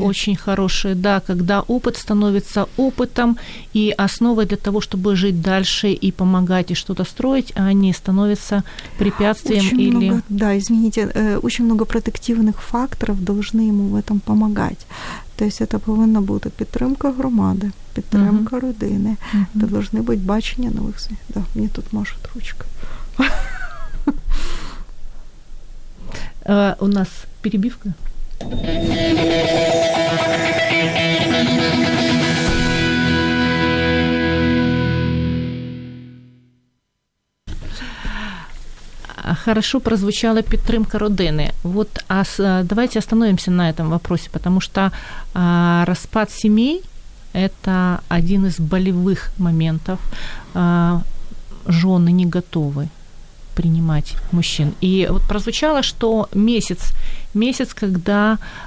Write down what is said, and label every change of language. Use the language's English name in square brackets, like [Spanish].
[Russian] Очень хорошая, да, когда опыт становится опытом и основой для того, чтобы жить дальше и помогать, и что-то строить, а не становится препятствием очень или... Много, да, извините, очень много протективных факторов должны ему в этом помогать. [Ukrainian] То есть это повинна бути підтримка громади, підтримка родини. Це повинні бути бачення нових світ. Да, мені тут машуть ручки. [Russian] У нас перебивка. Хорошо прозвучала [Ukrainian] підтримка родини. [Russian] Вот, давайте остановимся на этом вопросе, потому что распад семей – это один из болевых моментов. Жены не готовы принимать мужчин. И вот прозвучало, что месяц, когда...